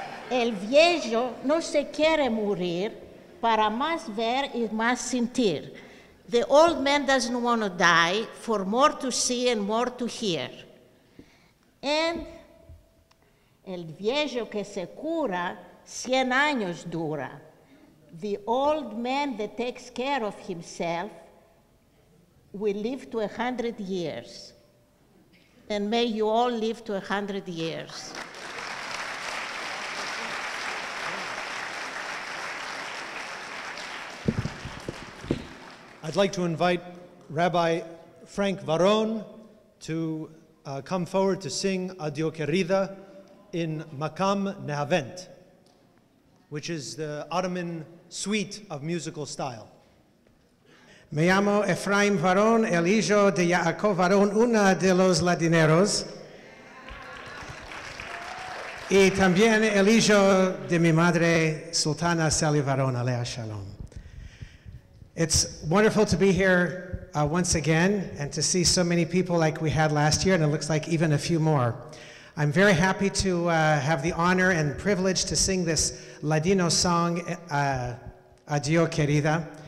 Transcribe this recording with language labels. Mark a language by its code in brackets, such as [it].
[lad] El viejo no se quiere morir para más ver y más sentir. [en] The old man doesn't want to die for more to see and more to hear. And [lad] el viejo que se cura, 100 años dura. [en] The old man that takes care of himself will live to 100 years. And may you all live to 100 years. I'd like to invite Rabbi Frank Varon to come forward to sing Adio Querida in Makam Nehavent, which is the Ottoman suite of musical style. [lad] Me llamo Efraim Varon, el hijo de Yaakov Varon, una de los ladineros, y también el hijo de mi madre, Sultana Sally Varon, alea shalom. [en] It's wonderful to be here once again and to see so many people like we had last year, and it looks like even a few more. I'm very happy to have the honor and privilege to sing this Ladino song, Adio Querida.